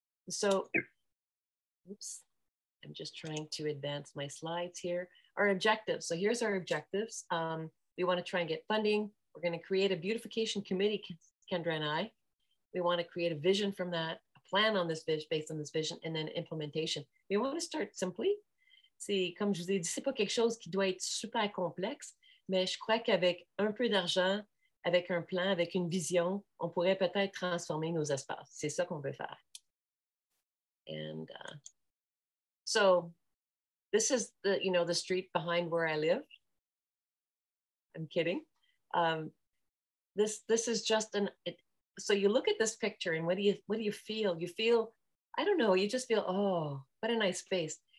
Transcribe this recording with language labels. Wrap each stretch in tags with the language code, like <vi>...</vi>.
<en>So, I'm just trying to advance my slides here. Our objectives. So here's our objectives. We want to try and get funding. We're going to create a beautification committee, Kendra and I. We want to create a vision from that, a plan on this vision, based on this vision, and then implementation. We want to start simply.</en> <fr>C'est comme je vous ai dit, c'est pas quelque chose qui doit être super complexe, mais je crois qu'avec un peu d'argent, avec un plan, avec une vision, on pourrait peut-être transformer nos espaces. C'est ça qu'on veut faire.</fr> <en>And so this is the, you know, the street behind where I live. I'm kidding. This is just so you look at this picture and what do you feel? You feel, I don't know, you just feel, oh, what a nice space.</en>